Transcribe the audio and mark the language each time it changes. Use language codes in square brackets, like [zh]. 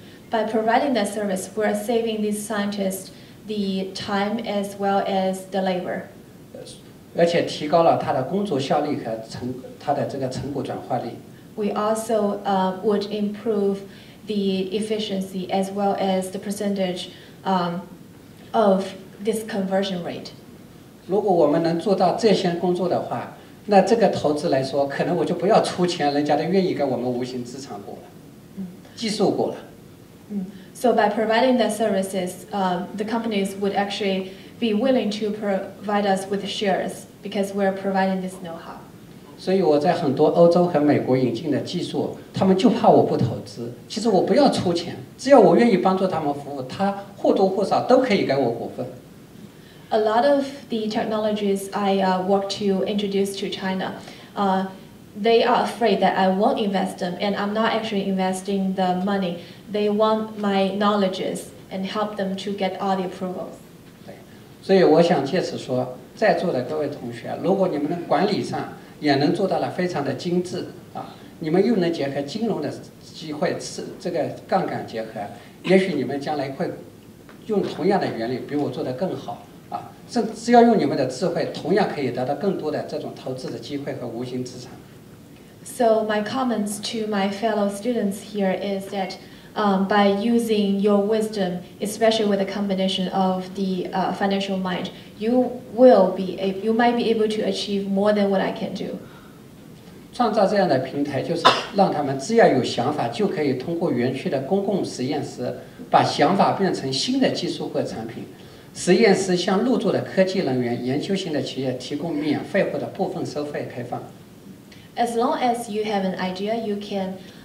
[en] By providing that service, we're saving these scientists the time as well as the labor. [zh] 而且提高了他的工作效率和他的这个成果转化率。 [en] We also would improve the efficiency as well as the percentage of this conversion rate. [zh] 如果我们能做到这些工作的话，那这个投资来说，可能我就不要出钱，人家都愿意跟我们无形资产过了，技术过了。 [en] So by providing the services, the companies would actually. Be willing to provide us with shares because we're providing this know-how. [zh] 所以我在很多欧洲和美国引进的技术，他们就怕我不投资。其实我不要出钱，只要我愿意帮助他们服务，他或多或少都可以给我股份。 [en] A lot of the technologies I work to introduce to China, they are afraid that I won't invest them, and I'm not actually investing the money. They want my knowledges and help them to get all the approvals. [zh] 所以我想借此说，在座的各位同学，如果你们的管理上也能做到了非常的精致啊，你们又能结合金融的机会，这个杠杆结合，也许你们将来会用同样的原理比我做得更好啊，甚至要用你们的智慧，同样可以得到更多的这种投资的机会和无形资产。 [en] So my comments to my fellow students here is that, by using your wisdom, especially with a combination of the financial mind, you might be able to achieve more than what I can do. [zh] 创造这样的平台，就是让他们只要有想法，就可以通过园区的公共实验室，把想法变成新的技术或产品。实验室向入驻的科技人员、研究型的企业提供免费或者部分收费开放。 [en] As long as you have an idea, you can,